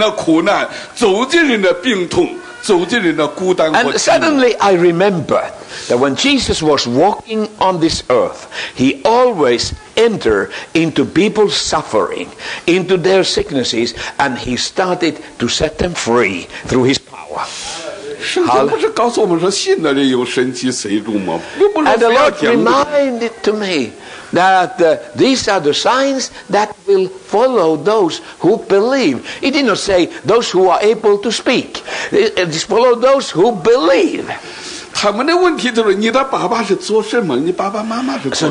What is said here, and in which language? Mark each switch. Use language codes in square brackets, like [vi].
[zh] 我就突然间想到，耶稣来就是要走进人的苦难，走进人的病痛。 [en] And suddenly I remembered that when Jesus was walking on this earth, he always entered into people's suffering, into their sicknesses, and he started to set them free through his power. And the Lord reminded to me that these are the signs that will follow those who believe. He did not say those who are able to speak. It is follow those who believe. [zh] 他们的问题就是你的爸爸是做什么？你爸爸妈妈是做什么？